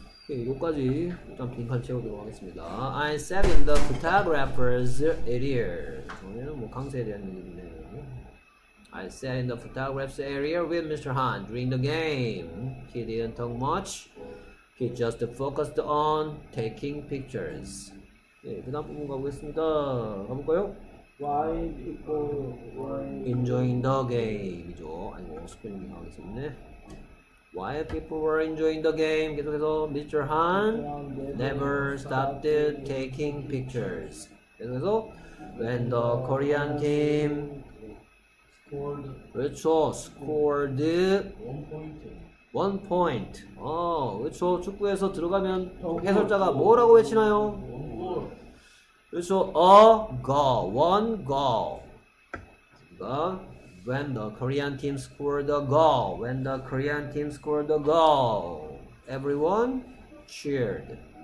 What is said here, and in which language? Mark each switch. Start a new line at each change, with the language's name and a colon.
Korean: 여기까지 일단 빈칸 채우도록 하겠습니다.
English: I sat in the photographer's area.
Korean: 뭐 강세에 대한 얘기인데.
English: I sat in the photographer's area with Mr. Han during the game. He didn't talk much. He just focused on taking pictures.
Korean: 예, 그 다음 부분 가보겠습니다. 가볼까요?
English: Why people enjoying the game이죠.
Korean: 아이고, 스펠링이 나오겠네.
English: Why people were enjoying the game?
Korean: 계속해서
English: Mr. Han never stopped taking pictures.
Korean: 계속해서
English: when the Korean team
Korean: 그렇죠.
English: scored 1 point.
Korean: 그렇죠. 축구에서 들어가면 해설자가 뭐라고 외치나요? 그렇죠.
English: a goal, one goal.
Korean: 그러니까
English: when the Korean team scored a goal, when the Korean team scored a goal, everyone cheered.